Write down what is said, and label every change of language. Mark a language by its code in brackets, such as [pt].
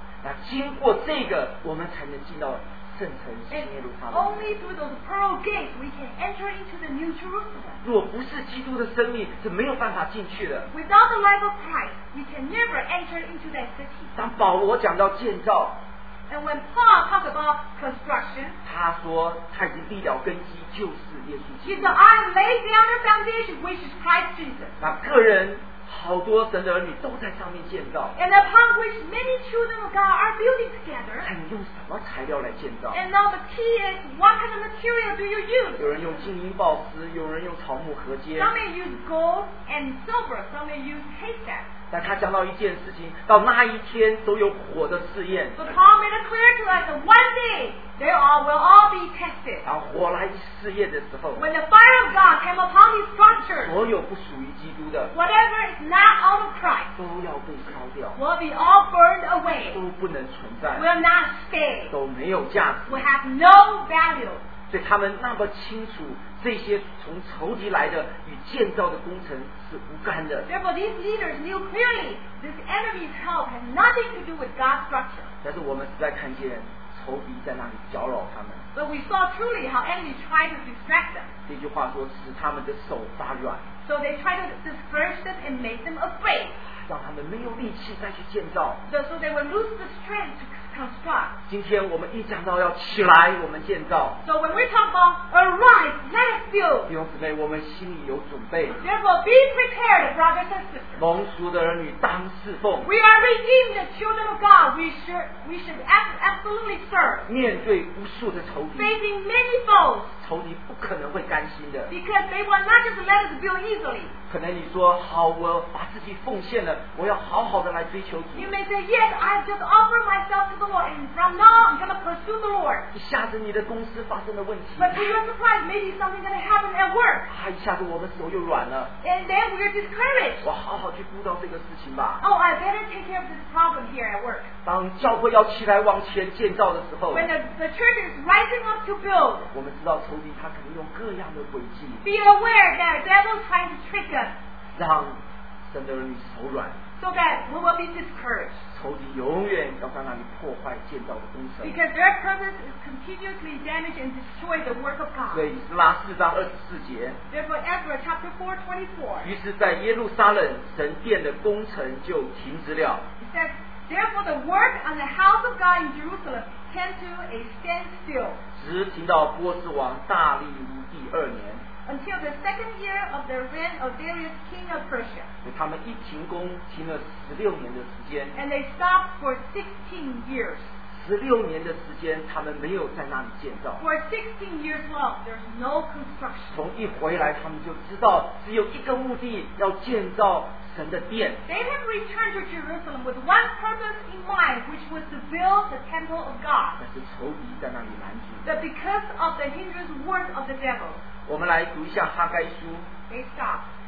[zh] 那经过这个，我们才能进到。 [en] And only through those pearl gates we can enter into the New Jerusalem. [zh] 若不是基督的生命，是没有办法进去的。 [en] Without the life of Christ, we can never enter into that city. [zh] 当保罗讲到建造， [en] And when Paul talks about construction, [zh] 他说他已经立了根基，就是耶稣基督。 [en] He said, I laid down the foundation, which is Christ Jesus. [zh] 那个人好多神的儿女都在上面建造。 [en] And upon which many children of God are building together. [zh] 看你用什么材料来建造。 [en] And now the key is what kind of material do you use? [zh] 有人用金银宝石，有人用草木合接。 [en] Some may use gold and silver. Some may use haystack. [zh] 但他讲到一件事情，到那一天都有火的试验。 [en] But Paul made it clear to us that one day they all will all be tested. [zh] 当火来试验的时候。 [en] When the fire of God came upon these structures. [zh] 所有不属于基督的。 [en] Whatever. Not all of Christ [zh] 都要被烧掉 [en] will be all burned away [zh] 都不能存在 [en] will not stay [zh] 都没有价值 [en] will have no value [zh] 所以他们那么清楚这些从仇敌来的与建造的工程是无干的 [en] Therefore these leaders knew clearly this enemy's help has nothing to do with God's structure [zh] 但是我们实在看见仇敌在那里搅扰他们 [en] But we saw truly how enemy tried to distract them [zh] 这句话说使他们的手发软 [en] So they try to disperse them and make them afraid. [zh] 让他们没有力气再去建造。 [en] So they will lose the strength to construct. [zh] 今天我们一讲到要起来，我们建造。 [en] So when we talk about arise, let us build. [zh] 弟兄姊妹，我们心里有准备。 [en] Therefore, be prepared, brothers and sisters. [zh] 蒙赎的儿女当侍奉。 [en] We are redeemed, the children of God. We should absolutely serve. [zh] 面对无数的仇敌。 [en] Facing many foes. [zh] 仇敌不可能会甘心的 [en] Because they will not just let us build easily [zh] 可能你说好我把自己奉献了我要好好的来追求主 [en] You may say yes I have just offered myself to the Lord And from now I'm going to pursue the Lord [zh] 一下子你的公司发生了问题 [en] But to your surprise maybe something going to happen at work [zh] 啊一下子我的手又软了 [en] And then we're discouraged [zh] 我好好去顾到这个事情吧 [en] Oh I better take care of this problem here at work [zh] 当教会要起来往前建造的时候 [en] When the church is rising up to build [zh] 我们知道仇敌他可能用各样的诡计。 [en] Be aware that the devil trying to trick us. [zh] 让神的儿女手软。 [en] So that we will be discouraged. [zh] 仇敌永远要在那里破坏建造的工程。 [en] Because their purpose is continuously damage and destroy the work of God. [zh] 所以拉四章二十四节。 [en] Therefore, Ezra chapter 4:24. [zh] 于是，在耶路撒冷神殿的工程就停止了。 [en] Therefore, the work on the house of God in Jerusalem came to a standstill. [zh] 直停到波斯王大力乌第二年。 [en] Until the second year of the reign of Darius, king of Persia. [zh] 他们一停工，停了十六年的时间。 [en] And they stopped for 16 years. [zh] 十六年的时间，他们没有在那里建造。 [en] For 16 years long, there's no construction. [zh] 从一回来，他们就知道只有一个目的，要建造。 [en] They had returned to Jerusalem with one purpose in mind, which was to build the temple of God. But because of the hindrance work of the devil, they stopped.